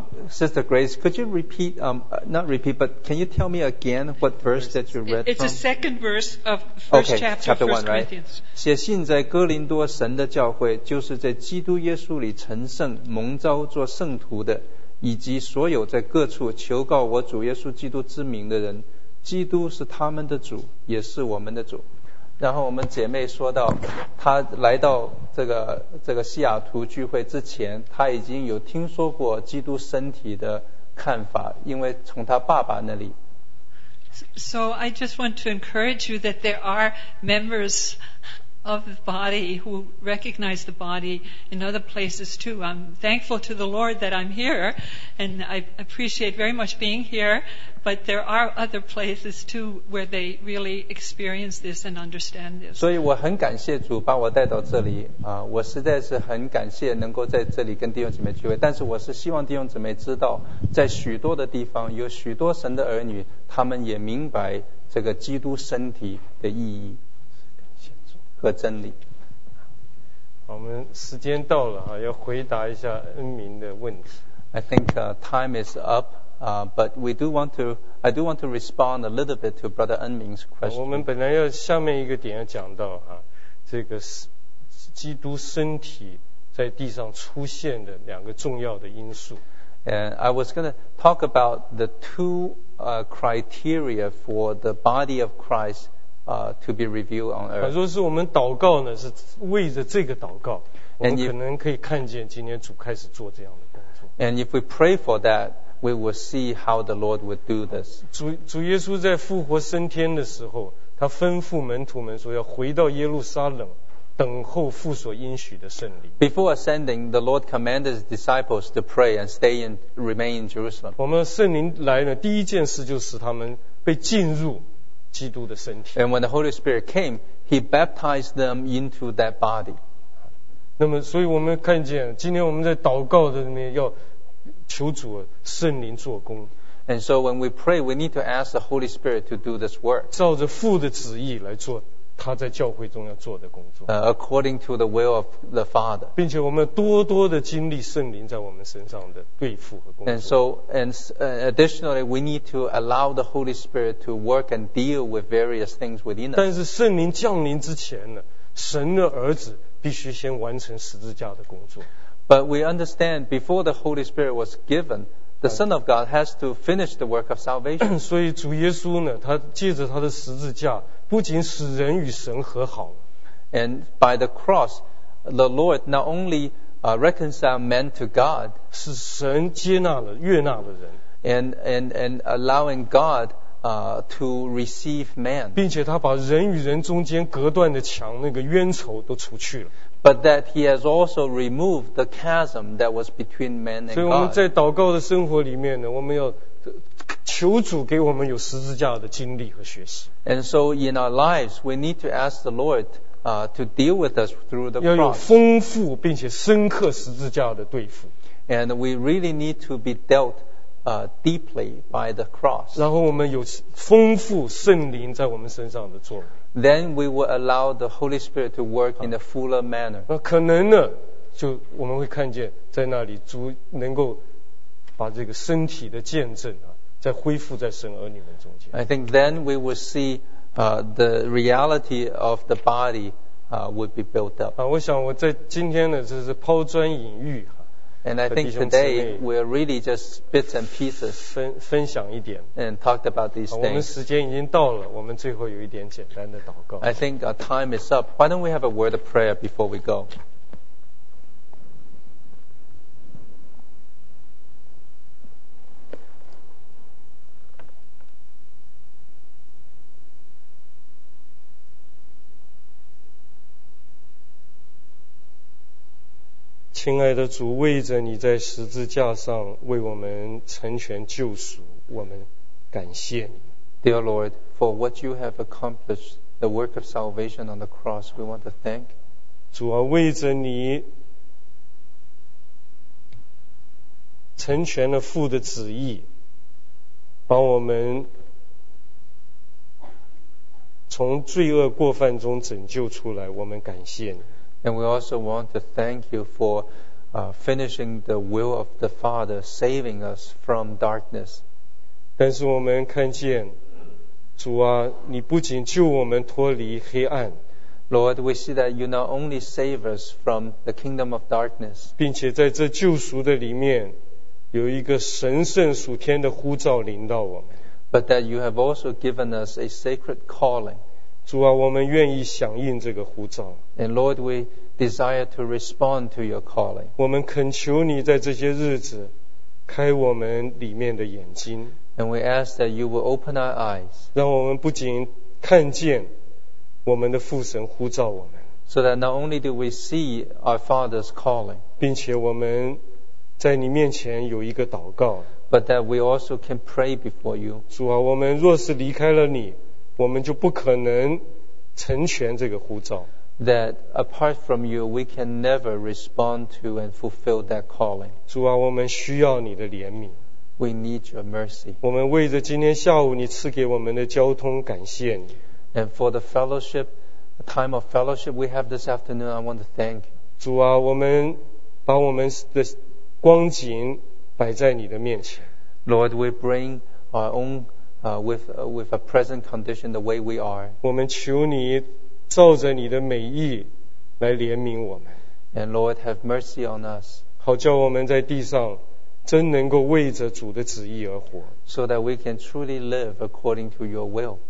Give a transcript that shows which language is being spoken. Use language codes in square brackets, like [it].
[en] Sister Grace, could you repeat, not repeat, but can you tell me again what verse that you read from? It's the second verse of first okay, chapter of 1 Corinthians. [zh] 写信在哥林多神的教会，就是在基督耶稣里成圣，蒙召做圣徒的，以及所有在各处求告我主耶稣基督之名的人，基督是他们的主，也是我们的主。然后我们姐妹说到，她来到这个西雅图聚会之前，她已经有听说过基督身体的看法，因为从她爸爸那里。 [en] So I just want to encourage you that there are members of the body who recognize the body in other places too. I'm thankful to the Lord that I'm here, and I appreciate very much being here. But there are other places too where they really experience this and understand this. [zh] 所以我很感谢主把我带到这里啊！我实在是很感谢能够在这里跟弟兄姊妹聚会。但是我是希望弟兄姊妹知道，在许多的地方有许多神的儿女，他们也明白这个基督身体的意义。和真理。我们时间到了，要回答一下恩明的问题。 [en] I think time is up, but we do want to, I do want to respond a little bit to Brother Enming's question. [zh] 我们本来要下面一个点要讲到这个基督身体在地上出现的两个重要的因素。 [en] And I was going to talk about the two criteria for the body of Christ. To be revealed on earth. [zh] 说是我们祷告呢，是为着这个祷告，我们可能可以看见今天主开始做这样的工作。 [en] And if we pray for that, we will see how the Lord would do this. [zh] 主耶稣在复活升天的时候，他吩咐门徒们说要回到耶路撒冷，等候父所应许的圣灵。 [en] Before ascending, the Lord commanded his disciples to pray and stay and remain in Jerusalem. [zh] 我们圣灵来了，第一件事就是他们被进入。基督的身体。 [en] And when the Holy Spirit came, He baptized them into that body. [zh] 那么，所以我们看见，今天我们在祷告的里面要求主圣灵做工。 [en] And so when we pray, we need to ask the Holy Spirit to do this work. [zh] 照着父的旨意来做他在教会中要做的工作。 [en] According to the will of the Father. [zh] 并且我们多多的经历圣灵在我们身上的对付和工作。 [en] And so, and additionally, we need to allow the Holy Spirit to work and deal with various things within us. [zh] 但是圣灵降临之前呢，神的儿子必须先完成十字架的工作。 [en] But we understand before the Holy Spirit was given, the Son of God has to finish the work of salvation. [zh] 所以主耶稣呢，他借着他的十字架，不仅使人与神和好。 [en] And by the cross, the Lord not only reconciled man to God, [zh] 使神接纳了悦纳了人。 [en] And allowing God to receive man. [zh] 并且他把人与人中间隔断的墙，那个冤仇都除去了。 [en] But that he has also removed the chasm that was between man and God. [zh] 所以我们在祷告的生活里面呢，我们要求主给我们有十字架的经历和学习。 [en] And so in our lives, we need to ask the Lord to deal with us through the cross. [zh] 要有丰富并且深刻十字架的对付。 [en] And we really need to be dealt deeply by the cross. [zh] 然后我们有丰富圣灵在我们身上的作用。 [en] Then we will allow the Holy Spirit to work in a fuller manner. [zh] 那可能呢，就我们会看见在那里主能够把这个身体的见证啊，再恢复在神儿女们中间。 [en] I think then we will see the reality of the body would be built up. [zh] 啊，我想我在今天呢，就是抛砖引玉。 [en] And I think today we're really just bits and pieces [zh] 分享一点 [en] and talked about these things. [zh] 我们时间已经到了，我们最后有一点简单的祷告。 [en] I think our time is up. Why don't we have a word of prayer before we go? [zh] 亲爱的主，为着你在十字架上为我们成全救赎，我们感谢你。 [en] Dear Lord, for what you have accomplished, the work of salvation on the cross, we want to thank. [zh] 主啊，为着你成全了父的旨意，把我们从罪恶过犯中拯救出来，我们感谢你。 [en] And we also want to thank you for finishing the will of the Father, saving us from darkness. [zh] 但是我们看见，主啊，你不仅救我们脱离黑暗。 [en] Lord, we see that you not only save us from the kingdom of darkness. [zh] 并且在这救赎的里面，有一个神圣属天的呼召临到我们。 [en] But that you have also given us a sacred calling. [zh] 主啊，我们愿意响应这个呼召。 [en] And Lord, we desire to respond to your calling. [zh] 我们恳求你在这些日子开我们里面的眼睛。 [en] And we ask that you will open our eyes. [zh] 让我们不仅看见我们的父神呼召我们。 [en] So that not only do we see our Father's calling. [zh] 并且我们在你面前有一个祷告。 [en] But that we also can pray before you. [zh] 主啊，我们若是离开了你，我们就不可能成全这个呼召。 [en] That apart from you, we can never respond to and fulfill that calling. [zh] 主啊，我们需要你的怜悯。 [en] We need your mercy. [zh] 我们为着今天下午你赐给我们的交通感谢你。 [en] And for the fellowship, the time of fellowship we have this afternoon, I want to thank you. [zh] 主啊，我们把我们的光景摆在你的面前。 [en] Lord, we bring our own. With a present condition the way we are. [zh] 我们求你照着你的美意来怜悯我们。 [en] And Lord, have mercy on us. [zh] 好叫我们在地上真能够为着主的旨意而活。 [en] So that we can truly live according to your will.